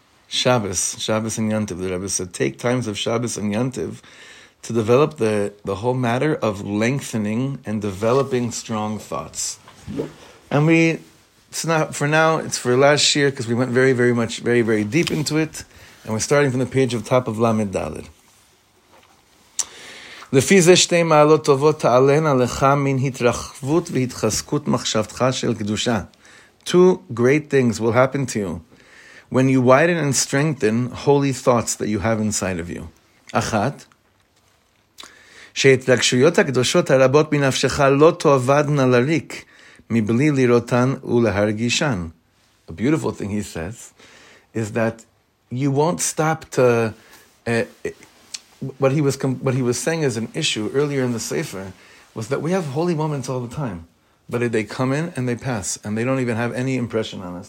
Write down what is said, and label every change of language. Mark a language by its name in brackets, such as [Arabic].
[English] Shabbos and Yantiv. The Rebbe said, take times of Shabbos and Yantiv to develop the whole matter of lengthening and developing strong thoughts. And it's for last year, because we went very, very much, very, very deep into it, and we're starting from the page of top of Lamed Dalet. [Hebrew] לפי זה שתי מעלות טובות תעלנה לך מן התרחבות והתחזקות מחשבתך של קדושה. [English] Two great things will happen to you when you widen and strengthen holy thoughts that you have inside of you. [Hebrew] אחת, שהתרגשויות הקדושות הרבות מנפשך לא תאבדנה לריק מבלי לראותן ולהרגישן. [English] A beautiful thing he says is that you won't stop to... What he was saying as an issue earlier in the Sefer was that we have holy moments all the time, but they come in and they pass, and they don't even have any impression on us.